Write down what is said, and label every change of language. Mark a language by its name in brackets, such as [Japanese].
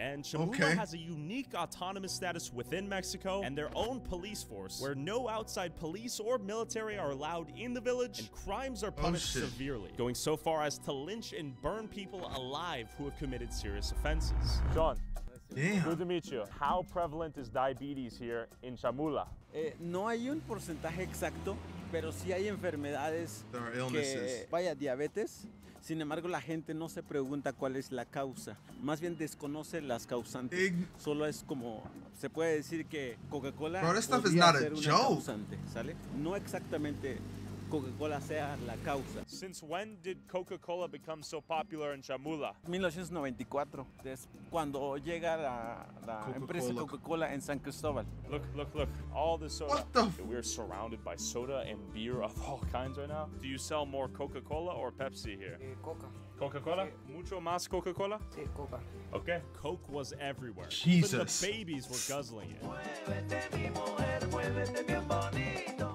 [English] And Chamula has a unique autonomous status within Mexico and their own police force, where no outside police or military are allowed in the village, and crimes are punished severely. Going so far as to lynch and burn people alive who have committed serious offenses. John, good to meet you. How prevalent is diabetes here in Chamula? [Spanish] No hay un porcentaje exacto, pero sí hay enfermedades. [English] There are illnesses. [Spanish] Vaya, diabetes. Sin embargo, la gente no se pregunta cuál es la causa. Más bien desconoce las causantes. Solo es como, se puede decir que Coca-Cola. [English] Bro, this stuff is not a joke. [Spanish] ¿Sale? No exactamente. Coca-Cola sea la causa. [English] Since when did Coca-Cola become so popular in Chamula? 1994. [Spanish] Es cuando llega la empresa Coca-Cola en San Cristóbal. [English] Look. All the soda. What the We're surrounded by soda and beer of all kinds right now. Do you sell more Coca-Cola or Pepsi here? [Spanish] Coca-Cola? Sí. Mucho más Coca-Cola? Sí, Coca. [English] Okay. Coke was everywhere. Jesus. Even the babies were guzzling it.